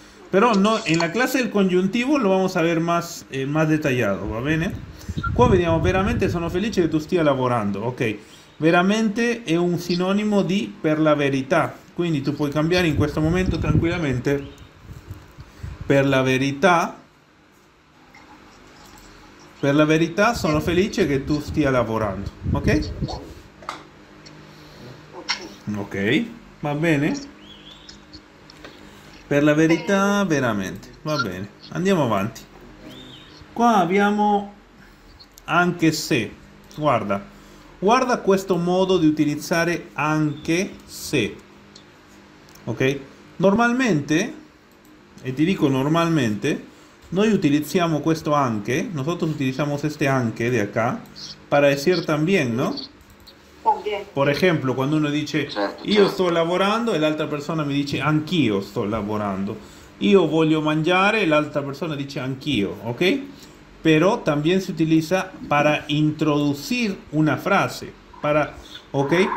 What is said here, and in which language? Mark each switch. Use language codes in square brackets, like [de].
[es] Pero no, en la clase del conyuntivo lo vamos a ver más, más detallado. ¿Va bien, eh? ¿Cómo diríamos? [it] Veramente sono felice [es] que tú estés elaborando. ¿Ok? Veramente es un sinónimo de [it] per la verità. [es] Quindi tú puedes cambiar en este momento tranquilamente. [it] Per la verità. Per la verità, sono felice che tu stia lavorando, ok? Ok, va bene. Per la verità, veramente, va bene. Andiamo avanti. Qua abbiamo anche se. Guarda, guarda questo modo di utilizzare anche se. Ok? Normalmente, e ti dico normalmente, noi utilizziamo questo anche, nosotros utilizamos este anche de acá, para decir también, ¿no? [es] También. Por ejemplo, cuando uno dice, [it] io sto lavorando, e l'altra persona mi dice, anch'io sto lavorando. Io voglio mangiare, e l'altra persona dice, anch'io, ¿ok? [es] Pero también se utiliza para introducir una frase, para, ¿ok?